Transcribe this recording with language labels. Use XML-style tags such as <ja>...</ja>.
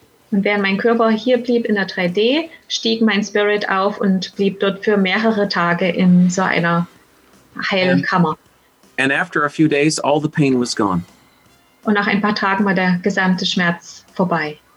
<de>Und während mein Körper hier blieb in der 3D, stieg mein Spirit auf und blieb dort für mehrere Tage in so einer Heilkammer.</de> <en>And after a few days, all the pain was gone.</en> <de>Und nach ein paar Tagen war der gesamte Schmerz vorbei.</de>